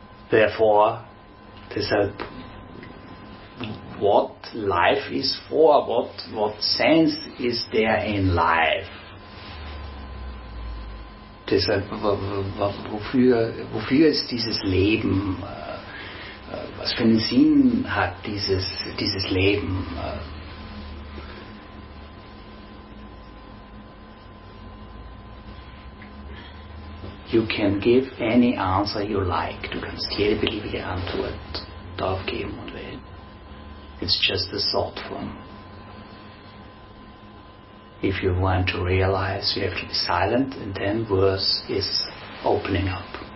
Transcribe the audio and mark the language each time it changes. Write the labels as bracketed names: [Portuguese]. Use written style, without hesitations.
[English] Therefore, deshalb, what life is for, what sense is there in life? [German] Deshalb, wofür ist dieses Leben, was für einen Sinn hat dieses Leben? [English] You can give any answer you like. [German] Du kannst jede beliebige Antwort darauf geben und wählen. [English] It's just a thought form. If you want to realize, you have to be silent, and then worse is opening up.